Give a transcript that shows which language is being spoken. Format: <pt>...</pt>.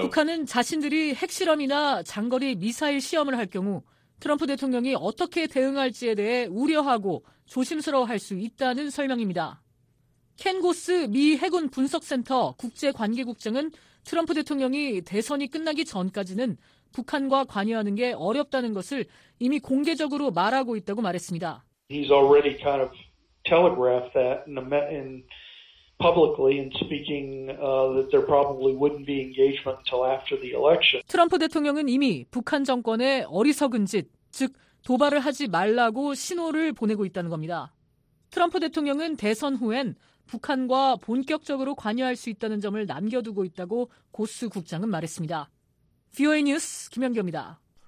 <ko>북한은 자신들이 핵실험이나 장거리 미사일 시험을 할 경우 트럼프 대통령이 어떻게 대응할지에 대해 우려하고 조심스러워할 수 있다는 설명입니다. 켄 고스 미 해군 분석센터 국제관계국장은 트럼프 대통령이 대선이 끝나기 전까지는 북한과 관여하는 게 어렵다는 것을 이미 공개적으로 말하고 있다고 말했습니다.</ko> <en>He's already kind of telegraphed that in publicly in speaking that there probably wouldn't be engagement until after the election.</en> <ko>트럼프 대통령은 이미 북한 정권의 어리석은 짓, 즉 도발을 하지 말라고 신호를 보내고 있다는 겁니다. 트럼프 대통령은 대선 후엔 북한과 본격적으로 관여할 수 있다는 점을 남겨두고 있다고 고스 국장은 말했습니다. VOA 뉴스 김연경입니다.</ko>